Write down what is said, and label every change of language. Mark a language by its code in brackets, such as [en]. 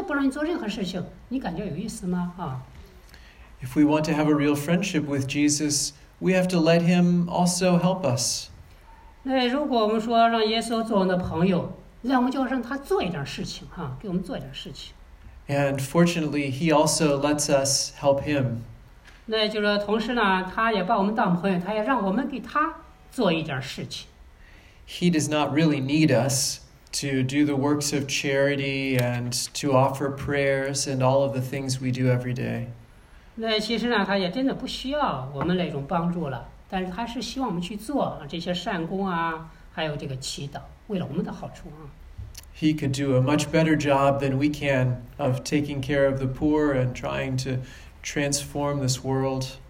[zh] 那这就是我们说的友谊，这样的之间的一种关系。如果你的朋友从来不让你做任何事情，你感觉有意思吗？ [en] If we want to have a real friendship with Jesus, we have to let him also help us. [zh] 那如果我们说让耶稣做我们的朋友， 让我们就让他做一点事情，给我们做一点事情。 [en] And fortunately, he also lets us help him. [zh] 那就是同时呢，他也把我们当朋友，他也让我们给他做一点事情。 [en] He does not really need us to do the works of charity and to offer prayers and all of the things we do every day. [zh] 那其实呢，他也真的不需要我们那种帮助了，但是他是希望我们去做这些善功啊，还有这个祈祷，为了我们的好处啊。 [en] He could do a much better job than we can of taking care of the poor and trying to transform this world.